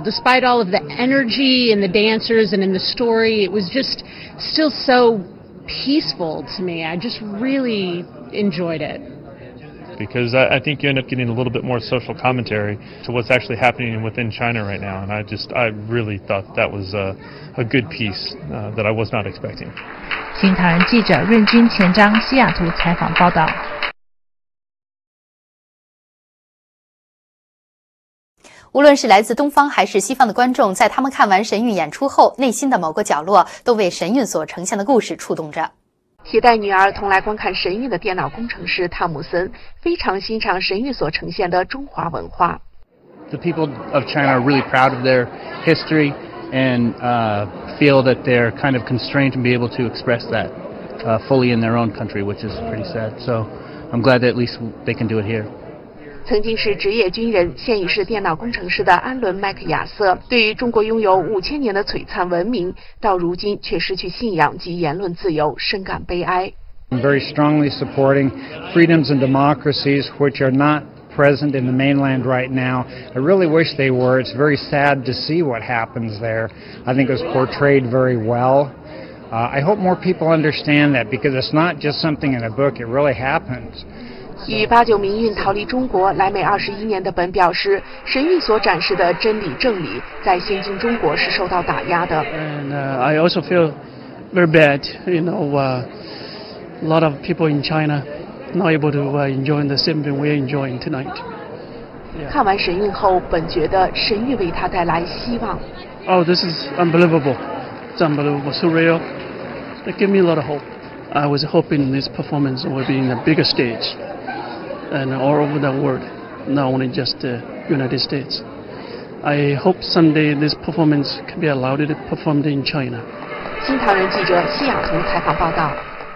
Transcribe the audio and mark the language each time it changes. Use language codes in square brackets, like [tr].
[en] Despite all of the energy in the dancers and in the story, it was just still so peaceful to me. I just really enjoyed it. Because I think you end up getting a little bit more social commentary to what's actually happening within China right now. And I really thought that was a good piece that I was not expecting. [zh] 新唐人记者润君前章西雅图采访报道。无论是来自东方还是西方的观众，在他们看完神韵演出后，内心的某个角落都为神韵所呈现的故事触动着。携带女儿同来观看神韵的电脑工程师汤姆森非常欣赏神韵所呈现的中华文化。 [en] The people of China are really proud of their historyand feel that they're kind of constrained to be able to express that fully in their own country, which is pretty sad. So I'm glad that at least they can do it here. [zh] 曾经是职业军人，现已是电脑工程师的安伦·麦克亚瑟，对于中国拥有5000年的璀璨文明，到如今却失去信仰及言论自由，深感悲哀。 [en] I'm very strongly supporting freedoms and democracies, which are not. Present in the mainland right now. I really wish they were. It's very sad to see what happens there. I think it was portrayed very well. I hope more people understand that because it's not just something in a book, it really happens. [zh] 与八九民运逃离中国来美21年的本表示，神韵所展示的真理正理在现今中国是受到打压的。 [en] And I also feel very bad. You know, a lot of people in China. Not able to enjoy the same thing we're enjoying tonight. [zh] 看完神韵后，本觉得神韵为他带来希望。 [en] Oh, this is unbelievable. It's unbelievable, surreal. It gave me a lot of hope. I was hoping this performance would be in a bigger stage and all over the world, not only just the United States. I hope someday this performance can be allowed to be performed in China. [zh] 新唐人记者西雅彤采访报道。